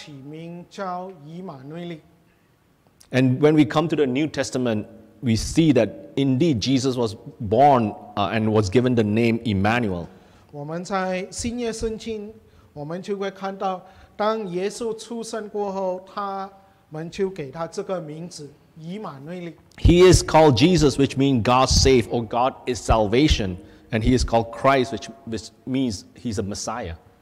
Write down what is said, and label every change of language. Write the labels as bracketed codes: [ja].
[zh] 这边说必有童女怀孕生子，给他起名叫以马内利。 [en] And when we come to the New Testament, we see that indeed Jesus was born and was given the name Emmanuel. [zh] 我们在新约圣经，我们就会看到。当耶稣出生过后，他们就给他这个名字，以马内利。 [en] He is called Jesus, which means God save or God is salvation, and he is called Christ, which means he's a Messiah.